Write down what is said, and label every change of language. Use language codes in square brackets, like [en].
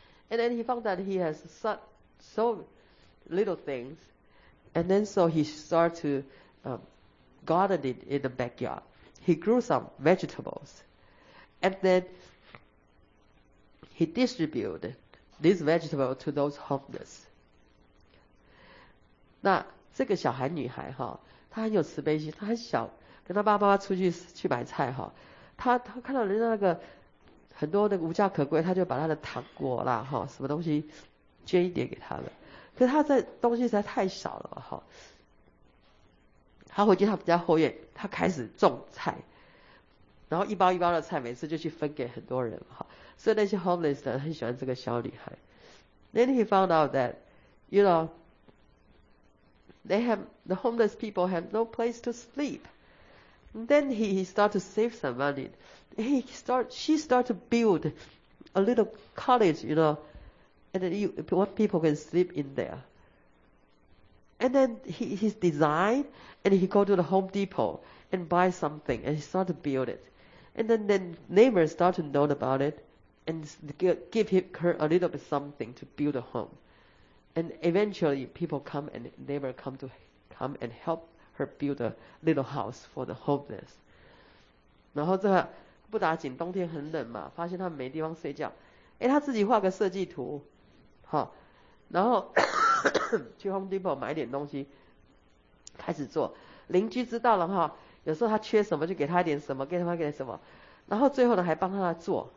[en] And then he found that he has so little things. And then so he started to garden it in the backyard. He grew some vegetables. And then he distributed these vegetables to those homeless. [zh] 那这个小孩女孩哈，她很有慈悲心，她很小。跟他爸爸妈妈出去买菜哈，他看到人家那个很多的无家可归，他就把他的糖果啦哈什么东西捐一点给他们。可是他在东西实在太少了哈，他回去他们家后院，他开始种菜，然后一包一包的菜每次就去分给很多人哈。所以那些 homeless 的很喜欢这个小女孩。 [en] Then he found out that you know the homeless people have no place to sleep. Then he started to save some money. She started to build a little cottage, you know, and then what people can sleep in there. And then he designed, and he go to the Home Depot and buy something, and he started to build it. And then neighbors started to know about it and give him a little bit something to build a home. And eventually people come and neighbor come and help. Her build a little house for the homeless. [zh] 然后这个不打紧，冬天很冷嘛，发现他们没地方睡觉，哎，他自己画个设计图，好，然后去 Home Depot 买点东西，开始做。邻居知道了哈，有时候他缺什么就给他一点什么，给他点什么，然后最后呢还帮他做。